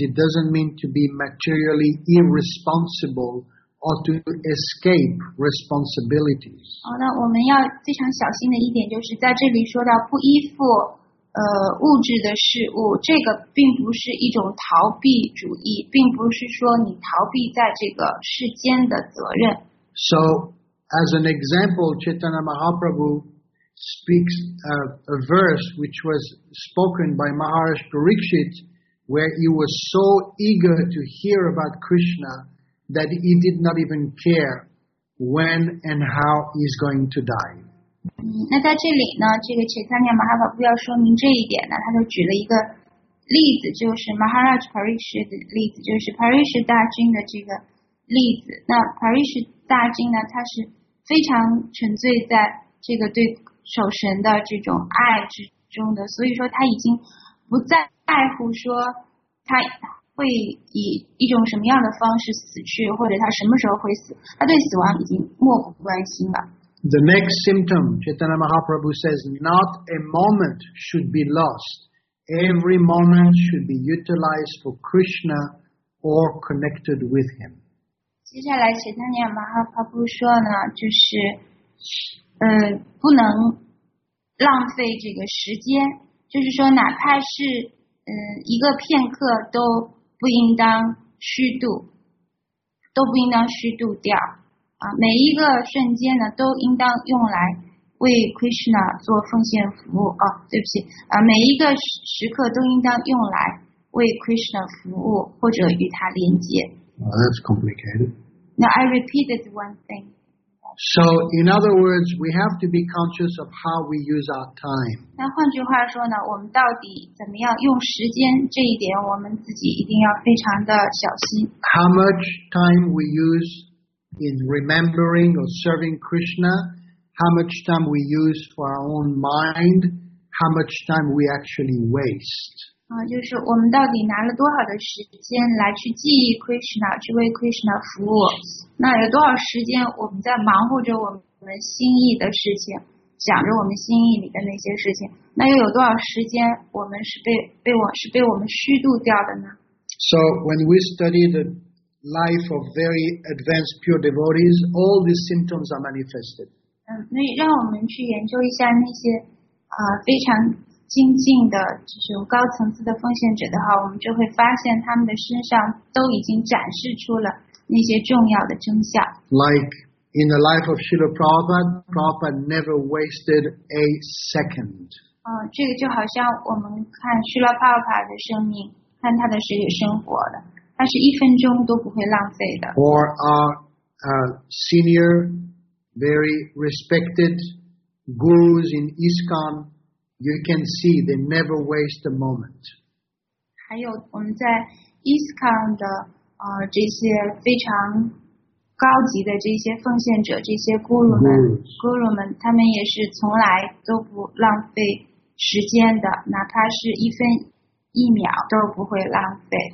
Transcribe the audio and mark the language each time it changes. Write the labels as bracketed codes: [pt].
[en] It doesn't mean to be materially irresponsible or to escape responsibilities. [zh] 好，那我们要非常小心的一点就是在这里说到不依附物质的事物，这个并不是一种逃避主义，并不是说你逃避在这个世间的责任。 [en] So, as an example, Chaitanya Mahaprabhu speaks a verse which was spoken by Maharishi Parikshit, where he was so eager to hear about Krishna that he did not even care when and how he's going to die. [zh] 那在这里呢，这个 Chaitanya Mahaprabhu 要说明这一点呢，他就举了一个例子，就是 Maharishi Parikshit 的例子，就是 Parikshit 大军的这个例子。那 Parikshit 大军呢，他是非常沉醉在这个对守神的这种爱之中的，所以说他已经不再在乎说他会以一种什么样的方式死去，或者他什么时候会死，他对死亡已经漠不关心了。 [en] The next symptom, Chaitanya Mahaprabhu says, not a moment should be lost. Every moment should be utilized for Krishna or connected with him. [zh] 接下来 Chaitanya Mahaprabhu 说呢，就是不能浪费这个时间，就是说哪怕是一个片刻都不应当虚度，都不应当虚度掉啊，每一个瞬间呢都应当用来为 Krishna 做奉献服务啊，对不起啊，每一个时刻都应当用来为 Krishna 服务或者与他连接。 [en] Well, that's complicated. Now I repeated one thing. So, in other words, we have to be conscious of how we use our time. [zh] 那换句话说呢，我们到底怎么样用时间，这一点我们自己一定要非常的小心。 [en] How much time we use in remembering or serving Krishna, how much time we use for our own mind, how much time we actually waste. [zh] 就是我们到底拿了多少的时间来去记忆 Krishna, 去为 Krishna 服务，那有多少时间我们在忙活着我们心意的事情，想着我们心意里的那些事情，那又有多少时间我们是被我们虚度掉的呢？ [en] So when we study the life of very advanced pure devotees, all these symptoms are manifested. [zh] 那让我们去研究一下那些非常精进的这种高层次的奉献者的话，我们就会发现他们的身上都已经展示出了那些重要的真相。 [en] Like in the life of Srila Prabhupada, Prabhupada never wasted a second. [zh] 这个就好像我们看 Srila Prabhupada 的生命，看他的实际生活的，他是一分钟都不会浪费的。 [en] Or our senior, very respected gurus in ISKCON, you can see they never waste a moment. [zh] 还有我们在 ISKCON 的这些非常高级的这些奉献者，这些guru们，他们也是从来都不浪费时间的，哪怕是一分一秒都不会浪费。